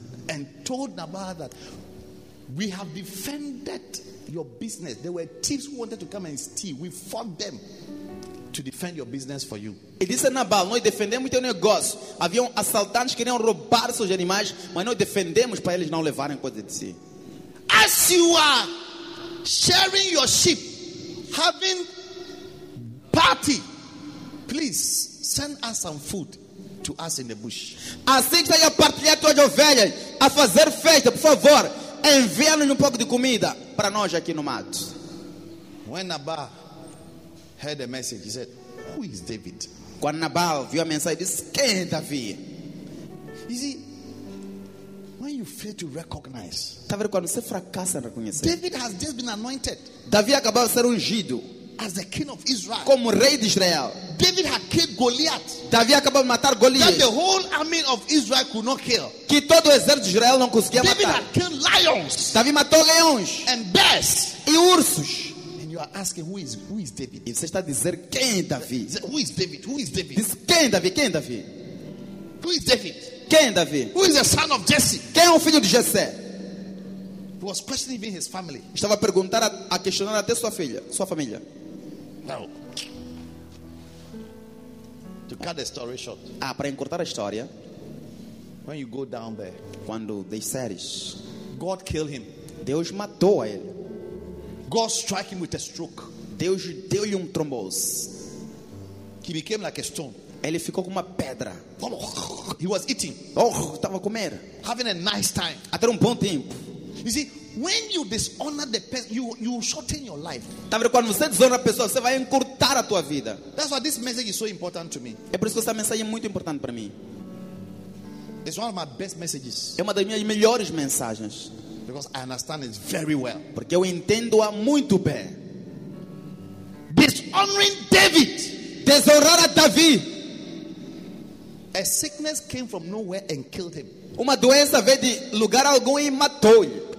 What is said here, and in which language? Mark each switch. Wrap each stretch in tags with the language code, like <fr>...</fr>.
<en>And told Nabal that we have defended your business. There were thieves who wanted to come and steal. We fought them to defend your business for you.</en> <pt>E disse a Nabal, nós defendemos teu negócio. Havia assaltantes que queriam roubar seus animais, mas nós defendemos para eles não levarem coisa de si.</pt> <en>As you are sharing your sheep, having party, please send us some food to us in the bush.</en> <pt>Assim que está a partilhar tuas ovelhas, a fazer festa, por favor, envia-nos um pouco de comida para nós aqui no mato.</pt> <en>When Nabal heard the message, he said, "Who is David?"</en> <pt>Quando Nabal viu a mensagem, disse, "Quem é Davi?"</pt> <en>You see, when you fail to recognize,</en> <pt>tá vendo quando você fracassa em reconhecer?</pt> <en>David has just been anointed.</en> <pt>Davi acabou de ser ungido</pt> <en>as the king of Israel.</en> <pt>Como rei de Israel.</pt> <en>David had killed Goliath.</en> <pt>Davi acabou de matar Goliath.</pt> <en>That the whole army of Israel could not kill.</en> <pt>Que todo o exército de Israel não conseguia</pt> <en>David</en> <pt>matar.</pt> <en>David had killed lions.</en> <pt>Davi matou leões.</pt> <en>And bears.</en> <pt>E ursos.</pt> <en>And you are asking who is David?</en> <pt>E você está a dizer quem é Davi?</pt> <en>Who is David?</en> <pt>Diz, quem é Davi?</pt> <en>Who is David?</en> <pt>Quem é Davi?</pt> <en>Who is the son of Jesse?</en> <pt>Quem é o filho de Jesse?</pt> <en>He was questioning even his family.</en> <pt>Estava a perguntar, a questionar até sua família.</pt> <en>Now, to cut the story short.</en> <pt>Ah, para encurtar a história.</pt> <en>When you go down there,</en> <pt>quando desceres,</pt> <en>God killed him.</en> <pt>Deus matou a ele.</pt> <en>God struck him with a stroke.</en> <pt>Deus deu-lhe um trombose.</pt> <en>He became like a stone.</en> <pt>Ele ficou com uma pedra.</pt> <en>He was eating.</en> <pt>Oh, estava a comer.</pt> <en>Having a nice time.</en> <pt>A ter um bom tempo.</pt> <en>You see, when you dishonor the person, you shorten your life.</en> <pt>Tá vendo? Quando você desonra a pessoa, você vai encurtar a tua vida.</pt> <en>That's why this message is so important to me.</en> <pt>É por isso que essa mensagem é muito importante para mim.</pt> <en>It's one of my best messages.</en> <pt>É uma das minhas melhores mensagens.</pt> <en>Because I understand it very well.</en> <pt>Porque eu entendo-a muito bem.</pt> <en>Dishonoring David.</en> <pt>Desonrar a Davi.</pt> <en>A sickness came from nowhere and killed him.</en> <pt>Uma doença veio de lugar algum e matou-lhe.</pt>